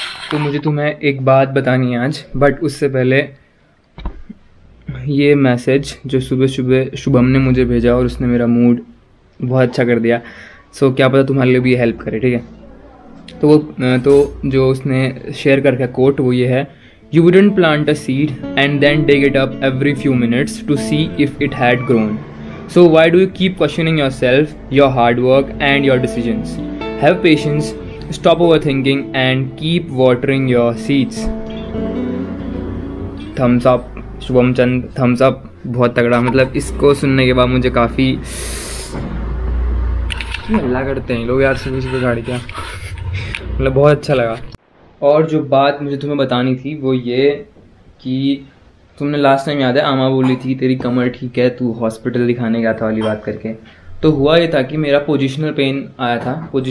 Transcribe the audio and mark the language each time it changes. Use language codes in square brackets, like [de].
[hi] तो मुझे तुम्हें एक बात बतानी है आज, बट उससे पहले ये मैसेज जो सुबह सुबह शुभम ने मुझे भेजा और उसने मेरा मूड बहुत अच्छा कर दिया, सो क्या पता तुम्हारे लिए भी हेल्प करे, ठीक है? तो जो उसने शेयर करके कोट वो ये है, [en] You wouldn't plant a seed and then dig it up every few minutes to see if it had grown. So why do you keep questioning yourself, your hard work and your decisions? Have patience, stop overthinking and keep watering your seeds. Thumbs up, Shubham Chand, thumbs up. [hi] बहुत तगड़ा, मतलब इसको सुनने के बाद मुझे काफ़ी हल्ला करते हैं लोग यार सुबह सुबह गाड़ी क्या, मतलब बहुत अच्छा लगा. और जो बात मुझे तुम्हें बतानी थी वो ये कि तुमने लास्ट टाइम याद है आमा बोली थी तेरी कमर ठीक है तू हॉस्पिटल दिखाने गया था वाली बात करके, तो हुआ ये था कि मेरा पोजिशनल पेन आया था.